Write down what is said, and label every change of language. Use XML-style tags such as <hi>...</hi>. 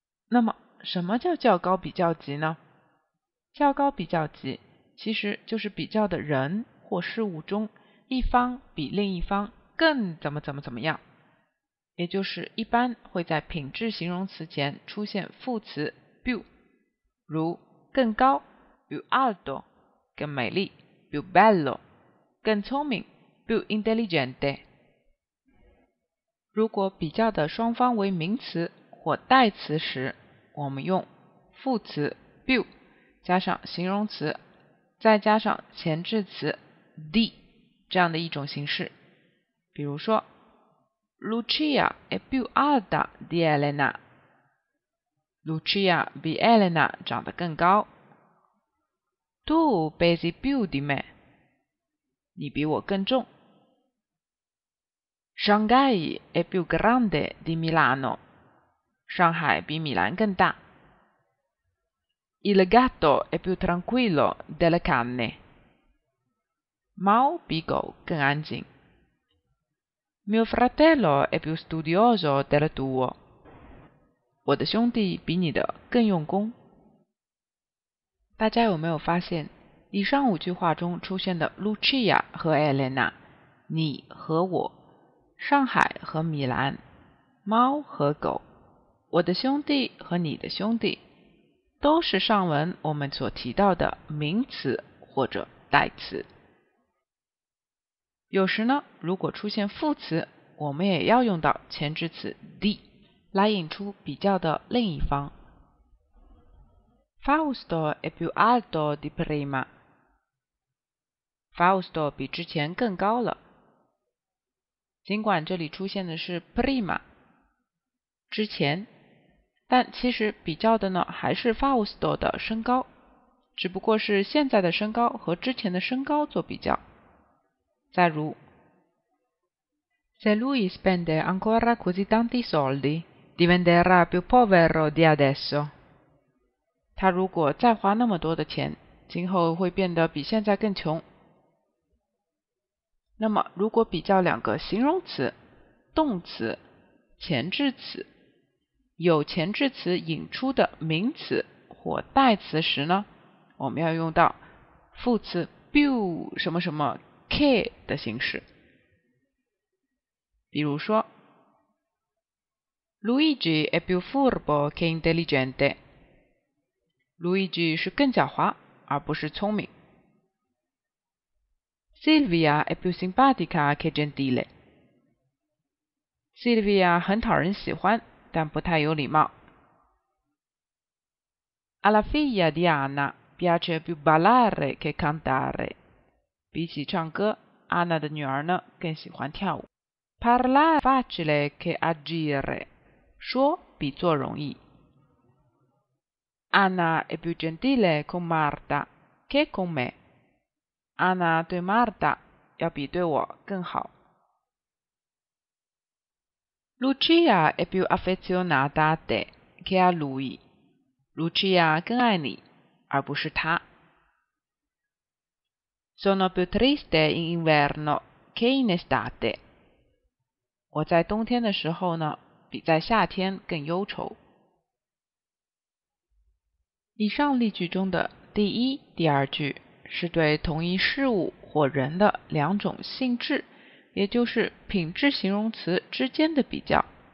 <zh>那么什么叫较高比较级呢？较高比较级其实就是比较的人或事物中一方比另一方更怎么怎么怎么样，也就是一般会在品质形容词前出现副词 più， 如更高 più alto， 更美丽 più bello， 更聪明 più intelligente。如果比较的双方为名词或代词时，我们用副词 più 加上形容词，再加上前置词 di 这样的一种形式。比如说</zh> <it>，Lucia è più alta di Elena。</it> <zh>Lucia 比 Elena 长得更高。</zh> <it>Tu pesi più di me。</it> <zh>你比我更重。</zh> <it>Shanghai è più grande di Milano。</it> <zh>上海比米兰更大。</zh> <it>Il gatto è più tranquillo delle canne.</it> <zh>猫比狗更安静。</zh> <it>Mio fratello è più studioso del tuo.</it> <zh>我的兄弟比你的更用功。大家有没有发现，以上五句话中出现的 Lucia 和 Elena， 你和我，上海和米兰，猫和狗，我的兄弟和你的兄弟，都是上文我们所提到的名词或者代词。有时呢，如果出现副词，我们也要用到前置词 the 来引出比较的另一方。</zh> <it>Fausto è più alto di prima.</it> <zh>Fausto 比之前更高了。尽管这里出现的是 prima， 之前，但其实比较的呢还是 Fausto 的身高，只不过是现在的身高和之前的身高做比较。再如</zh> <it>Se lui spende ancora così tanti soldi, diventerà più povero di adesso。</it> <zh>他如果再花那么多的钱，今后会变得比现在更穷。那么，如果比较两个形容词、动词、前置词、有前置词引出的名词或代词时呢，我们要用到副词 più 什么什么 che 的形式。比如说</zh> <it>，Luigi è più furbo che intelligente。</it> <zh>Luigi 是更狡猾，而不是聪明。</zh> <it>Silvia è più simpatica che gentile。</it> <zh>Silvia 很讨人喜欢，但不太有礼貌。</zh> <it>Alla figlia di Anna piace più ballare che cantare。</it> <zh>比起唱歌，安娜的女儿呢更喜欢跳舞。</zh> <it>Parlare facile che agire。</it> <zh>说比做容易。</zh> <it>Anna è più gentile con Marta che con me.</it> <zh>Anna 对 Marta 要比对我更好。</zh> <it>Lucia è più affezionata a te che a lui.</it> <zh>Lucia 更爱你，而不是他。</zh> <it>Sono più triste in inverno che in estate.</it> <zh>我在冬天的时候呢，比在夏天更忧愁。以上例句中的第一、第二句是对同一事物或人的两种性质，也就是品质形容词之间的比较。</zh>